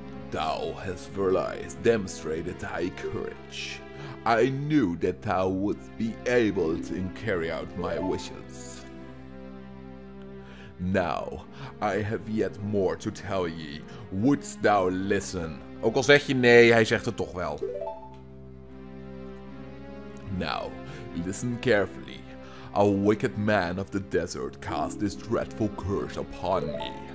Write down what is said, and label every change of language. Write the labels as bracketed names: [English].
[English] Thou has realized, demonstrated high courage. I knew that thou wouldst be able to carry out my wishes. Now, I have yet more to tell ye. Wouldst thou listen? [Dutch] Ook al zeg je nee, hij zegt het toch wel. [English] Now, listen carefully. A wicked man of the desert cast this dreadful curse upon me.